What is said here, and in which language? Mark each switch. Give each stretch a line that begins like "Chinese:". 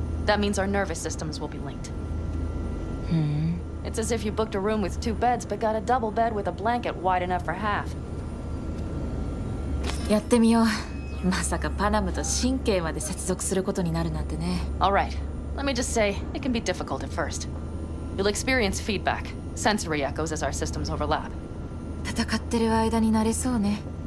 English: That means our nervous systems will be linked. Hmm. It's as if you booked a room with two beds, but got a double bed with a blanket wide enough for half.
Japanese: やってみよう。まさかパナムと神経まで接続することになるなんてね。
English: All right. Let me just say, it can be difficult at first. You'll experience feedback, sensory echoes as our systems overlap.
Japanese: 戦ってる間になれそうね。